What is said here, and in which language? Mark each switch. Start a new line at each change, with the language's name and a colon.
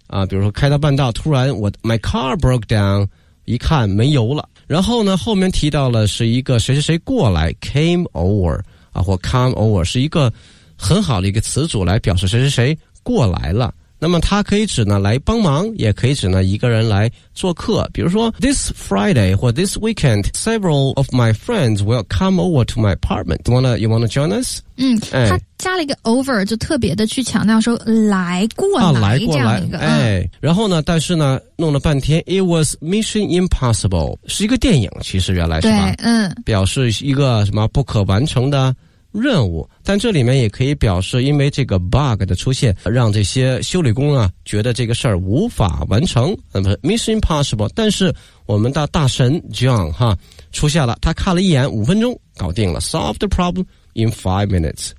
Chinese: 比如说开到半道突然我
English: my car broke down,
Chinese: 一看没油了。然后呢后面提到了是一个谁谁谁过来 came over, 啊或 come over, 是一个很好的一个词组来表示谁谁谁过来了。那么它可以指呢来帮忙，也可以指呢一个人来做客。比如说
English: ,this Friday, 或 this weekend, several of my friends will come over to my apartment. You wanna join us?
Chinese: 他加了一个 over, 就特别的去强调说来过来、来过来这样一个、然后呢但是呢弄了半天
English: it was mission impossible,
Chinese: 是一个电影其实原来是吧，对，表示一个什么不可完成的任务，但这里面也可以表示因为这个 bug 的出现让这些修理工啊觉得这个事儿无法完成，那么 mission impossible, 但是我们的大神 John 哈出现了，他看了一眼五分钟搞定了
English: solve the problem,in 5 minutes.